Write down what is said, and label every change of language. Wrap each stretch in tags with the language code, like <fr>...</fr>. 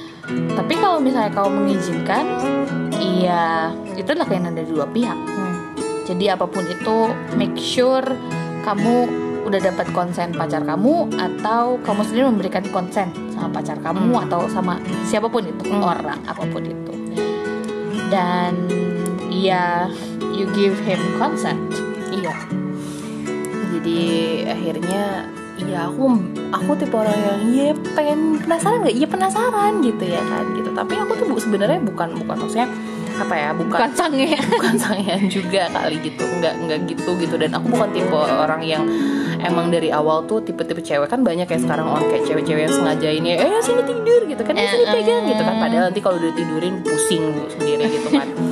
<id>Tapi kalau misalnya kamu mengizinkan, iya, itu adalah keinginan dari dua pihak. Jadi apapun itu, make sure kamu udah dapat konsen pacar kamu, atau kamu sendiri memberikan konsen sama pacar kamu atau sama siapapun itu, orang apapun itu. Dan ya,</id> <en>you give him consent.</en> <id>Iya. Jadi akhirnya ya aku tipe orang yang ya pengen, penasaran enggak? Ya penasaran gitu ya kan gitu. Tapi aku tuh sebenarnya bukan maksudnya apa ya, bukan sangean juga kali gitu, enggak gitu gitu. Dan aku bukan tipe orang yang emang dari awal tuh tipe-tipe cewek, kan banyak ya sekarang orang kayak cewek-cewek yang sengaja ini ya sini tidur gitu kan, ya sini pegang gitu kan, padahal nanti kalau udah tidurin pusing gue sendiri gitu kan.</id>